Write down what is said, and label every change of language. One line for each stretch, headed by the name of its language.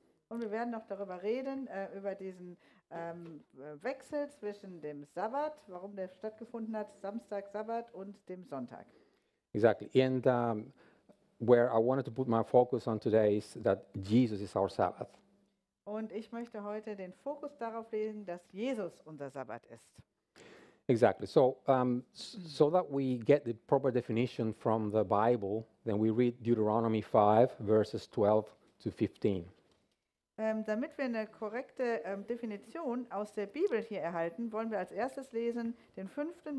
German: Und wir werden noch darüber reden über diesen Wechsel zwischen dem Sabbat, warum der stattgefunden hat, Samstag Sabbat und dem Sonntag.
English: Exactly. And where I wanted to put my focus on today is that Jesus is our Sabbath.
German: Und ich möchte heute den Fokus darauf legen, dass Jesus unser Sabbat ist.
English: Exactly. So so that we get the proper definition from the Bible, then we read Deuteronomy 5 verses 12 to 15.
German: Damit wir eine korrekte Definition aus der Bibel hier erhalten, wollen wir als erstes lesen den 5.